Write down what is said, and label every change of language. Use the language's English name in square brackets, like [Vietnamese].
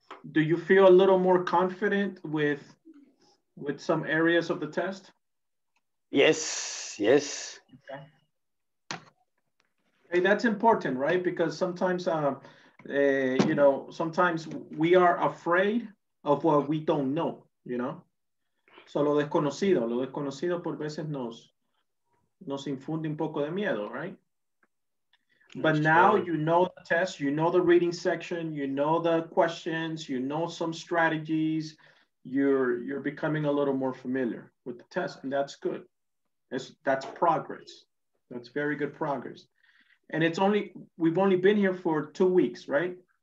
[English] Do you feel a little more confident with some areas of the test? Yes, yes. Okay. Hey, that's important, right? Because sometimes, you know, sometimes we are afraid of what we don't know, you know? [Spanish] So lo desconocido por veces nos infunde un poco de miedo, right? [English] But now you know the test, you know the reading section, you know the questions, you know some strategies, you're becoming a little more familiar with the test, and that's good. That's progress. That's very good progress. And we've only been here for 2 weeks, right?